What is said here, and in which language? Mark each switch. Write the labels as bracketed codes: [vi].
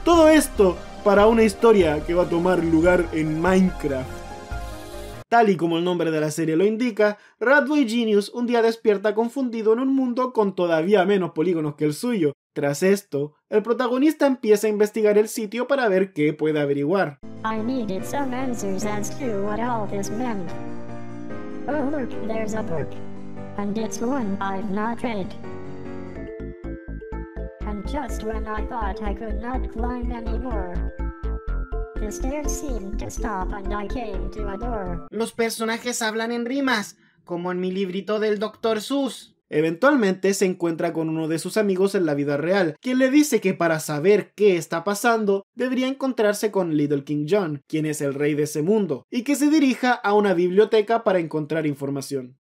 [es] Todo esto para una historia que va a tomar lugar en Minecraft. Tal y como el nombre de la serie lo indica, Rat Boy Genius un día despierta confundido en un mundo con todavía menos polígonos que el suyo. Tras esto, el protagonista empieza a investigar el sitio para ver qué puede averiguar. [en] I needed some answers as to what all this meant. Oh look, there's a book. And it's one I've not read. And just when I thought I could not climb anymore, the stairs seemed to stop and I came to a door. [es] Los personajes hablan en rimas, como en mi librito del Dr. Seuss. Eventualmente se encuentra con uno de sus amigos en la vida real, quien le dice que para saber qué está pasando, debería encontrarse con Little King John, quien es el rey de ese mundo, y que se dirija a una biblioteca para encontrar información.